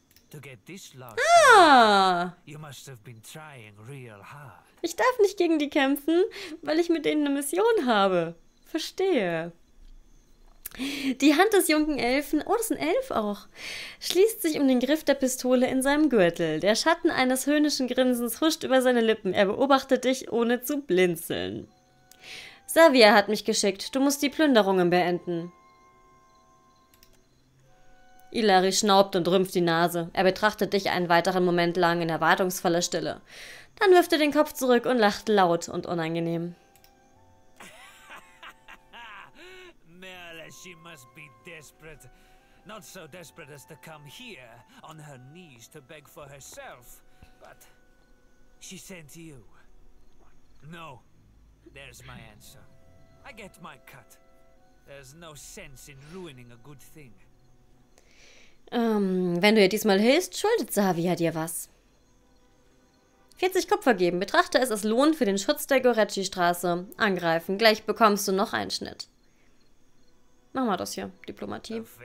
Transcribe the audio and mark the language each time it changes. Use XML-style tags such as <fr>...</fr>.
<en>To get this large sample, Ah! you must have been trying real hard.</en> <de>Ich darf nicht gegen die kämpfen, weil ich mit denen eine Mission habe. Verstehe. Die Hand des jungen Elfen, oh, das ist ein Elf auch, schließt sich um den Griff der Pistole in seinem Gürtel. Der Schatten eines höhnischen Grinsens huscht über seine Lippen. Er beobachtet dich, ohne zu blinzeln. Xavier hat mich geschickt. Du musst die Plünderungen beenden. Ilari schnaubt und rümpft die Nase. Er betrachtet dich einen weiteren Moment lang in erwartungsvoller Stille. Dann wirft er den Kopf zurück und lacht laut und unangenehm.</de> <en>She must be desperate. Not so desperate as to come here on her knees to beg for herself. But she sent you. No, there's my answer. I get my cut. There's no sense in ruining a good thing.</en> <de>Wenn du ihr diesmal hilfst, schuldet Xavier dir was. 40 Kupfer geben. Betrachte es als Lohn für den Schutz der Goretti-Straße. Angreifen. Gleich bekommst du noch einen Schnitt. Mach mal das hier, Diplomatie.</de>